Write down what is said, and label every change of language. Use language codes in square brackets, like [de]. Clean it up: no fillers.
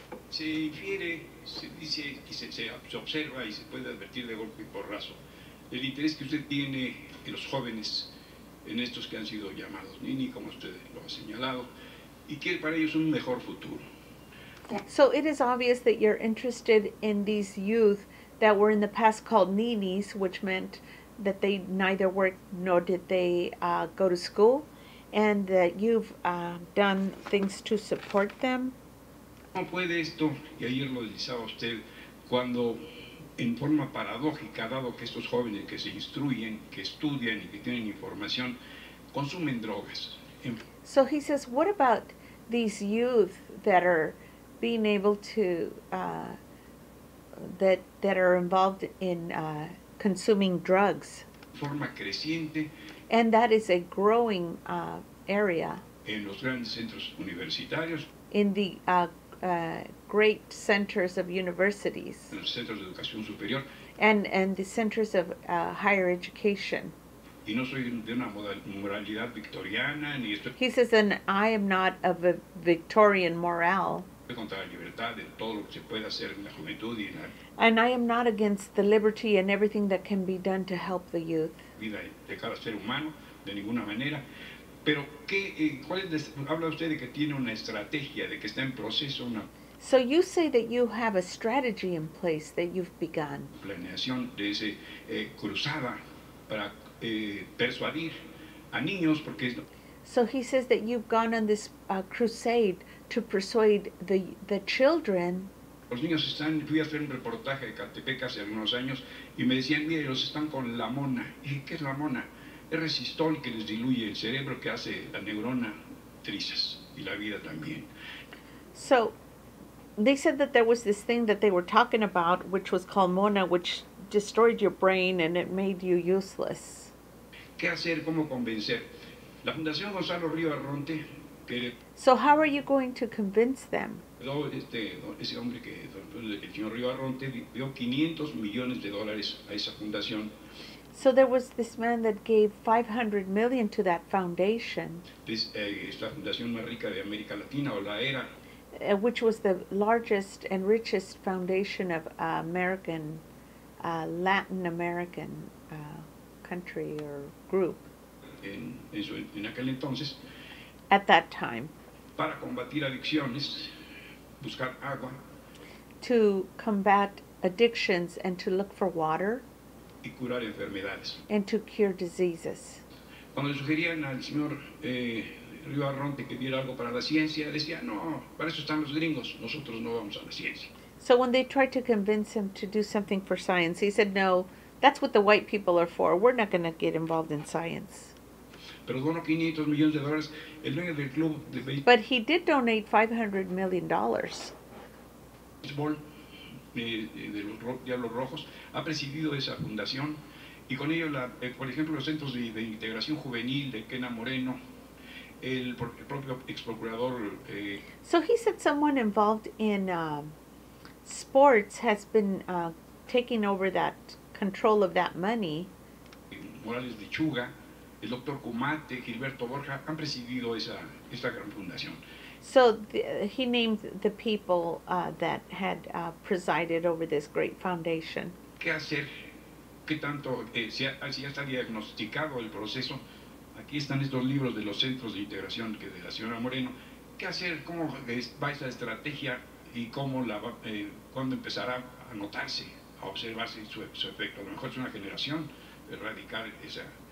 [es] Se infiere, se dice, que se observa y se puede advertir de golpe y porrazo el interés que usted tiene en los jóvenes, en estos que han sido llamados Nini, como usted lo ha señalado, y quiere para ellos un mejor futuro. [en] So it is obvious that you're interested in these youth that were in the past called Ninis, which meant that they neither worked nor did they go to school, and that you've done things to support them. [es] ¿Cómo puede esto, y ayer lo deslizaba usted, cuando en forma paradójica, dado que estos jóvenes que se instruyen, que estudian y que tienen información, consumen drogas? [en] So he says, what about these youth that are being able to, that are involved in consuming drugs? [es] Forma creciente. [en] And that is a growing area. [es] En los grandes centros universitarios. [en] In the great centers of universities. [es] En los centros de educación superior. [en] And the centers of higher education. [es] Y no soy de una moralidad victoriana ni esto. [en] He says, and I am not of a Victorian morale. [es] Contra la libertad en todo lo que se pueda hacer en la juventud y en la. [en] And I am not against the liberty and everything that can be done to help the youth. [es] Vida de cada ser humano, de ninguna manera. Pero qué, cuál es, habla usted de que tiene una estrategia, de que está en proceso una. [en] So you say that you have a strategy in place that you've begun. [es] Planeación de ese cruzada para persuadir a niños porque. [en] So he says that you've gone on this crusade to persuade the children. [es] Los niños están, fui a hacer un reportaje de Catepec hace algunos años y me decían, mire, ellos están con la mona. Y dije, ¿qué es la mona? Es resistol que les diluye el cerebro, que hace la neurona trizas y la vida también. [en] So they said that there was this thing that they were talking about, which was called mona, which destroyed your brain and it made you useless. [es] ¿Qué hacer? ¿Cómo convencer? La Fundación Gonzalo Río Arronte. [en] So how are you going to convince them? [es] Ese hombre que, el señor Río Arronte, dio 500 millones de dólares a esa fundación. [en] So there was this man that gave 500 million to that foundation. [es] Es la fundación más rica de América Latina, o la era. [en] Which was the largest and richest foundation of American, Latin American country or group. [es] En aquel entonces. [en] At that time. [es] Para combatir adicciones, buscar agua. [en] To combat addictions and to look for water. [es] Y curar enfermedades. [en] And to cure diseases. [es] Cuando le sugerían al señor Río Arronte que diera algo para la ciencia, decía, no, para eso están los gringos, nosotros no vamos a la ciencia. [en] So when they tried to convince him to do something for science, he said, no, that's what the white people are for. We're not going to get involved in science. [es] pero donó 500 millones de dólares el dueño del club de béisbol. [en] But he did donate $500 million. [es] Béisbol de los Diablos Rojos ha presidido esa fundación y con ello, por ejemplo, los centros de integración juvenil de Kena Moreno, el propio ex procurador. [en] So he said someone involved in sports has been taking over that control of that money. [es] Morales Lechuga, el doctor Cumate, Gilberto Borja han presidido esta gran fundación. [en] So he named the people that had presided over this great foundation. [es] ¿Qué hacer? ¿Qué tanto? Si ya está diagnosticado el proceso, aquí están estos libros de los centros de integración que de la señora Moreno. ¿Qué hacer? ¿Cómo va esa estrategia y cómo la va, cuándo empezará a notarse, a observarse su efecto? A lo mejor es una generación radical esa.